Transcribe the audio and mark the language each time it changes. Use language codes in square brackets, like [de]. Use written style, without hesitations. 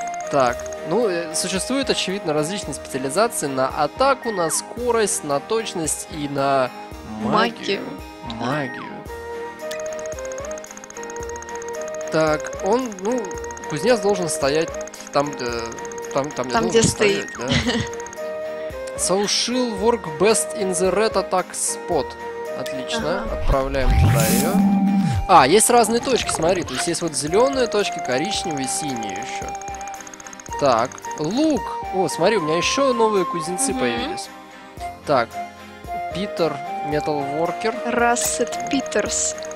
[ru] Так, ну, существуют, очевидно, различные специализации на атаку, на скорость, на точность и на магию. Магию. Так, он, ну, кузнец должен стоять там, где... Там где стоит. Да. [en] So she'll work best in the red attack spot. [ru] Отлично, uh-huh. Отправляем туда ее. А, есть разные точки, смотри. То есть вот зеленые точки, коричневые, синие еще. Так, лук. О, смотри, у меня еще новые кузнецы mm-hmm. появились. Так, Питер, металворкер. Рассет Питерс.